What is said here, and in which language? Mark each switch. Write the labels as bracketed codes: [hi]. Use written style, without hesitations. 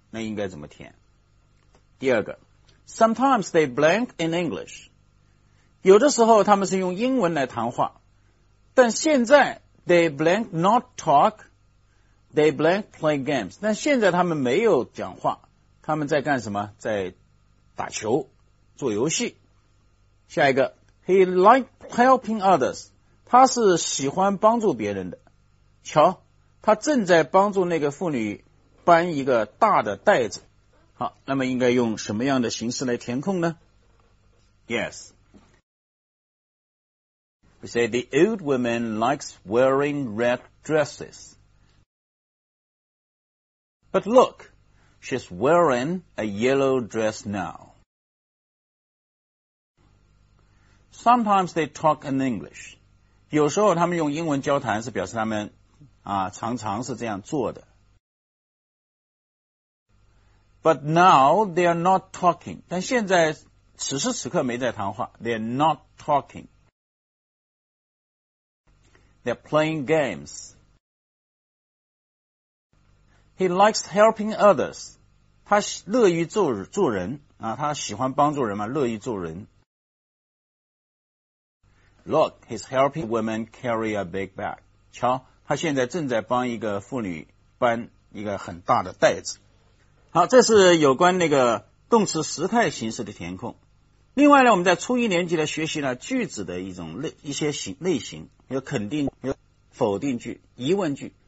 [zh] 那应该怎么填？第二个 [en] Sometimes they blank in English. [zh] 有的时候他们是用英文来谈话，但现在 [en] they blank not talk, they blank play games. [zh] 但现在他们没有讲话，他们在干什么？在打球，做游戏。下一个 [en] He like helping others. [zh] 他是喜欢帮助别人的。瞧，他正在帮助那个妇女搬一个大的袋子。好，那么应该用什么样的形式来填空呢？ [en] Yes. We say the old woman likes wearing red dresses. But look, she's wearing a yellow dress now. Sometimes they talk in English. [zh] 有时候他们用英文交谈是表示他们啊常常是这样做的。 [en] But now they are not talking. [zh] 但现在此时此刻没在谈话。 [en] They are not talking. They are playing games. He likes helping others. [zh] 他乐于 做人、啊、他喜欢帮助人嘛，乐于做人。 [en] Look, he's helping women carry a big bag. [zh] 瞧，他现在正在帮一个妇女搬一个很大的袋子。好，这是有关那个动词时态形式的填空。另外呢，我们在初一年级的学习呢，句子的一种一些型类型，有肯定、有否定句、疑问句。